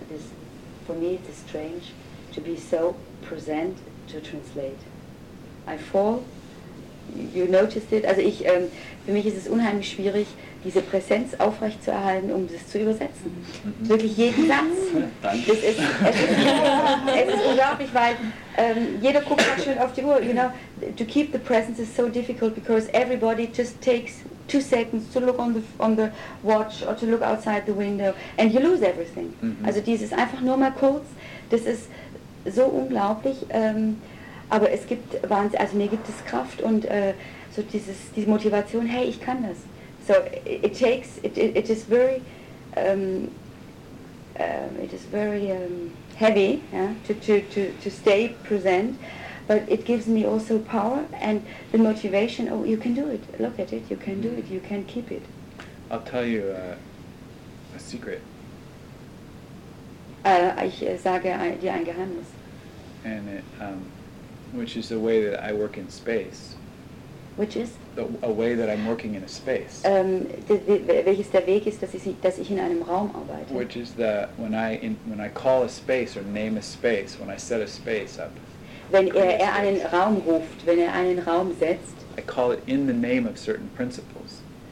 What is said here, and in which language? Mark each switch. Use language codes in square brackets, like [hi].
[en] This, for me, it's strange to be so present to translate. I fall. You noticed it. [de] Also ich, für mich ist es unheimlich schwierig, diese Präsenz aufrechtzuerhalten, um das zu übersetzen. Mhm. Wirklich jeden Satz. Danke. Es ist unglaublich, weil jeder guckt auch schön auf die Uhr. [en] You know, to keep the presence is so difficult because everybody just takes 2 seconds to look on the watch or to look outside the window and you lose everything. Mhm. [de] Also dieses einfach nur mal kurz, das ist so unglaublich. Aber es gibt Wahnsinn, also mir gibt es Kraft und so diese Motivation, hey, ich kann das. [en] So it is very heavy, yeah, to stay present, but it gives me also power and the motivation. Oh, you can do it. Look at it. You can do it. You can keep it. I'll tell you a secret. [de] Ich sage dir ein Geheimnis. [en] And it, which is the way that I work in space. Which is a way that I'm working in a space. [de] Welches der Weg ist, dass ich in einem Raum arbeite. [en] Which is that when I call a space or name a space, when I set a space up. [de] Wenn er einen Raum ruft, wenn er einen Raum setzt. [en] I call it in the name of certain principles.